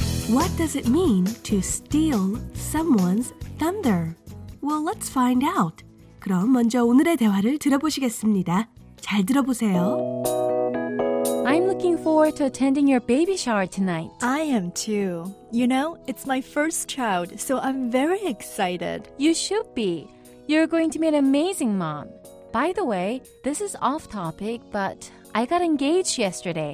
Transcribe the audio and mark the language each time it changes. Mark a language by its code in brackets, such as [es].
[en] What does it mean to steal someone's thunder? Well, let's find out. [ko] 그럼 먼저 오늘의 대화를 들어보시겠습니다. 잘 들어보세요. [en] I'm looking forward to attending your baby shower tonight. I am too. You know, it's my first child, so I'm very excited. You should be. You're going to be an amazing mom. By the way, this is off topic, but I got engaged yesterday.